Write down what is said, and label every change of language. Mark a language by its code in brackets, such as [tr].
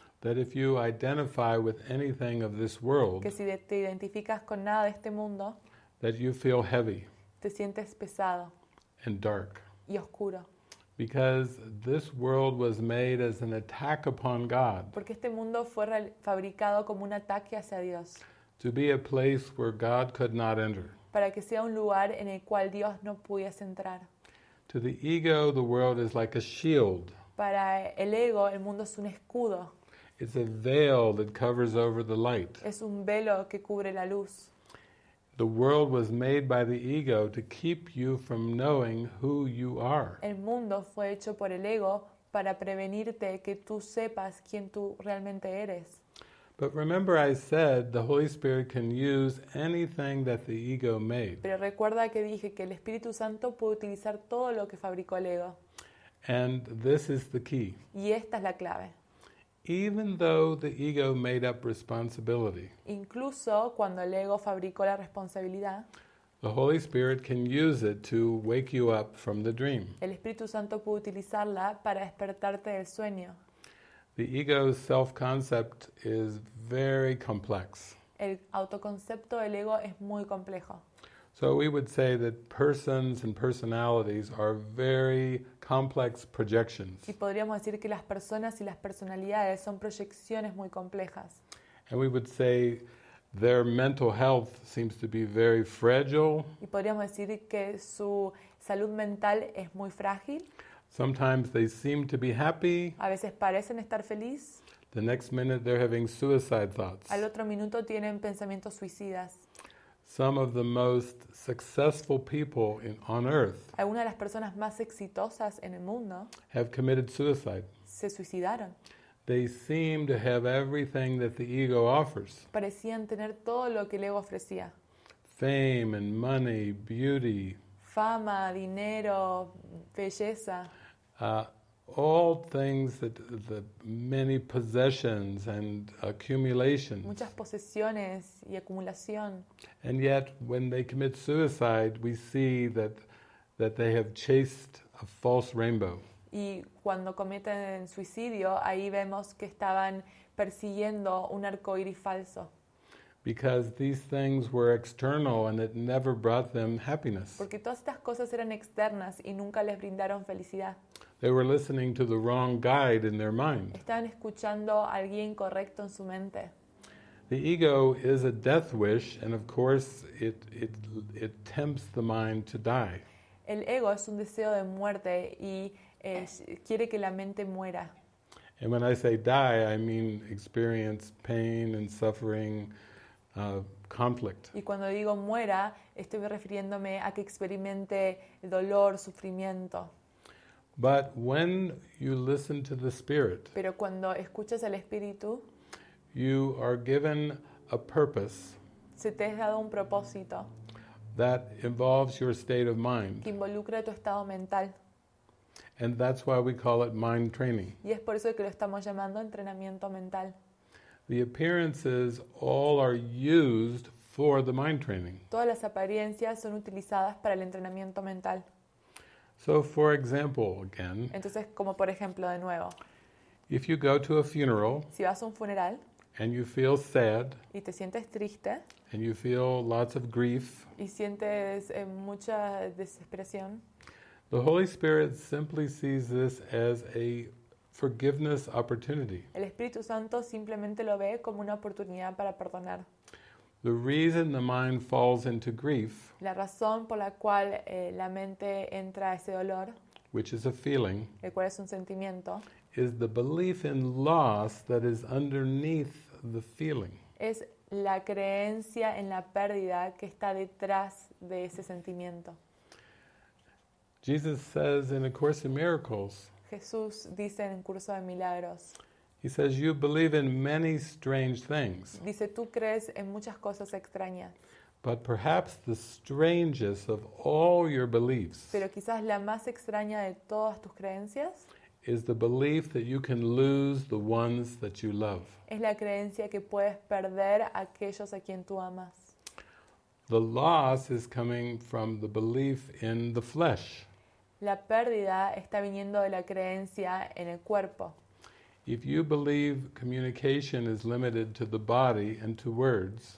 [en] That if you identify with anything of this world, [es] que si te identificas con nada de este mundo, [en] that you feel heavy, [es] te sientes pesado, [en] and dark, [es] y oscuro, [en] because this world was made as an attack upon God, [es] porque este mundo fue fabricado como un ataque hacia Dios, [en] to be a place where God could not enter, [es] para que sea un lugar en el cual Dios no pudiese entrar. [en] To the ego, the world is like a shield. [es] Para el ego, el mundo es un escudo. [en] It's a veil that covers over the light. [es] Es un velo que cubre la luz. [en] The world was made by the ego to keep you from knowing who you are. [es] El mundo fue hecho por el ego para prevenirte que tú sepas quién tú realmente eres. [en] But remember I said the Holy Spirit can use anything that the ego made. [es] Pero recuerda que dije que el Espíritu Santo puede utilizar todo lo que fabricó el ego. [en] And this is the key. [es] Y esta es la clave. [en] Even though the ego made up responsibility, [es] incluso cuando el ego fabricó la responsabilidad, [en] the Holy Spirit can use it to wake you up from the dream. [es] El Espíritu Santo puede utilizarla para despertarte del sueño. [en] The ego's self-concept is very complex. [es] El autoconcepto del ego es muy complejo. [en] So we would say that persons and personalities are very complex projections. [es] Y podríamos decir que las personas y las personalidades son proyecciones muy complejas. [en] And we would say their mental health seems to be very fragile. [es] Y podríamos decir que su salud mental es muy frágil. [en] Sometimes they seem to be happy. [es] A veces parecen estar feliz. [en] The next minute they're having suicide thoughts. [es] Al otro minuto tienen pensamientos suicidas. [en] Some of the most successful people on earth. [es] Algunas de las personas más exitosas en el mundo. [en] Have committed suicide. [es] Se suicidaron. [en] They seem to have everything that the ego offers. [es] Parecían tener todo lo que el ego ofrecía. [en] Fame and money, beauty. [es] Fama, dinero, belleza. [en] all things that the many possessions and accumulations. [es] Muchas posesiones y acumulación. [en] And yet, when they commit suicide, we see that they have chased a false rainbow. [es] Y cuando cometen suicidio, ahí vemos que estaban persiguiendo un arco iris falso. [en] Because these things were external and it never brought them happiness. [es] Porque todas estas cosas eran externas y nunca les brindaron felicidad. [en] They were listening to the wrong guide in their mind. [es] Estaban escuchando a alguien correcto en su mente. [en] The ego is a death wish, and of course it tempts the mind to die. [es] El ego es un deseo de muerte y quiere que la mente muera. [en] And when I say die, I mean experience pain and suffering, conflict. [es] Y cuando digo muera, estoy refiriéndome a que experimente dolor, sufrimiento. [en] But when you listen to the Spirit, [es] pero cuando escuchas al Espíritu, [en] you are given a purpose. [es] Se te es dado un propósito. [en] That involves your state of mind. [es] Que involucra tu estado mental. [en] And that's why we call it mind training. [es] Y es por eso que lo estamos llamando entrenamiento mental. [en] The appearances all are used for the mind training. [es] Todas las apariencias son utilizadas para el entrenamiento mental. [en] So, for example, again. [es] Entonces, como por ejemplo, de nuevo. [en] If you go to a funeral. [es] Si vas a un funeral. [en] And you feel sad. [es] Y te sientes triste. [en] And you feel lots of grief. [es] Y sientes mucha desesperación. [en] The Holy Spirit simply sees this as a forgiveness opportunity. [es] El Espíritu Santo simplemente lo ve como una oportunidad para perdonar. [en] The reason the mind falls into grief, [es] la razón por la cual la mente entra a ese dolor, [en] which is a feeling, [es] el cual es un sentimiento, [en] is the belief in loss that is underneath the feeling. [es] Es la creencia en la pérdida que está detrás de ese sentimiento. [en] Jesus says in A Course in Miracles, [es] Jesús dice en Curso de Milagros, [en] he says, you believe in many strange things. [es] Dice, tú crees en muchas cosas extrañas. [en] But perhaps the strangest of all your beliefs, [es] pero quizás la más extraña de todas tus creencias, [en] is the belief that you can lose the ones that you love. [es] Es la creencia que puedes perder a aquellos a quien tú amas. [en] The loss is coming from the belief in the flesh. [es] La pérdida está viniendo de la creencia en el cuerpo. [en] If you believe communication is limited to the body and to words,